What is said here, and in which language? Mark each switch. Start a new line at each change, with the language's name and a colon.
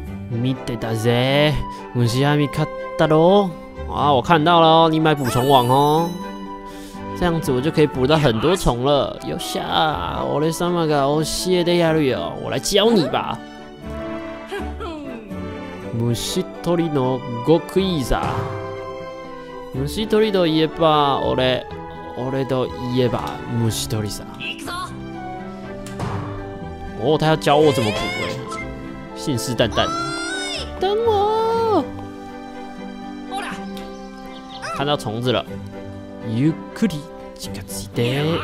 Japanese: 見てたぜ、虫網買ったろ。
Chinese: 啊，我看到了哦，你买捕虫网哦，这样子我就可以捕到很多虫了。
Japanese: よっしゃ、俺様が教えてやるよ，
Chinese: 我来教你吧。
Japanese: 虫取りの極意さ。虫取りといえば俺、俺といえば虫取りさ。
Chinese: 哦，他要教我怎么捕哎，信誓旦旦。等我。看到虫子了，
Japanese: ゆっくり近づいて。